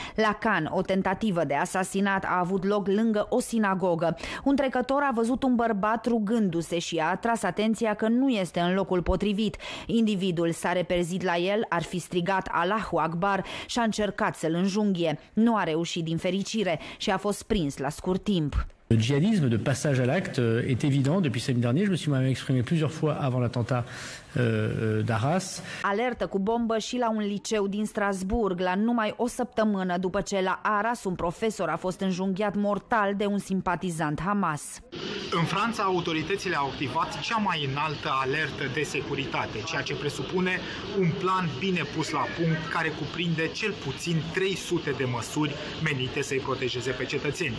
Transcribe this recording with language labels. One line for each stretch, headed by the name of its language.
Romanian: La Cannes, o tentativă de asasinat a avut loc lângă o sinagogă. Un trecător a văzut un bărbat rugându-se și a atras atenția că nu este în locul potrivit. Individul s-a reperzit la el, ar fi strigat Allahu Akbar și a încercat să-l înjunghie. Nu a reușit din fericire și a fost prins la scurt timp.
French: Le djihadisme de passage à l'acte est évident depuis samedi dernier. Je me suis moi-même exprimé plusieurs fois avant l'attentat d'Arras.
Romanian: Alertă cu bombă și la un liceu din Strasbourg, la numai o săptămână după ce la Arras un profesor a fost înjunghiat mortal de un simpatizant Hamas. În Franța, autoritățile au activat cea mai înaltă alertă de securitate, ceea ce presupune un plan bine pus la punct care cuprinde cel puțin 300 de măsuri menite să-i protejeze pe cetățeni.